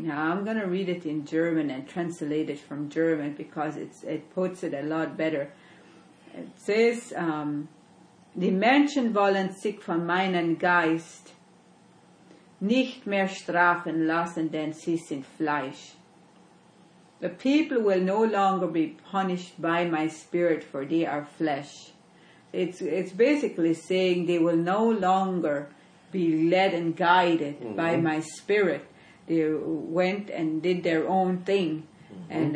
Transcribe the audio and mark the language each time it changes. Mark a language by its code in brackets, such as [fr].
[en] Now, I'm going to read it in German and translate it from German because it puts it a lot better. It says, [de] die Menschen wollen sich von meinem Geist nicht mehr strafen lassen, denn sie sind Fleisch. [en] The people will no longer be punished by my Spirit, for they are flesh. It's basically saying they will no longer be led and guided mm-hmm. by my Spirit. They went and did their own thing. Mm-hmm.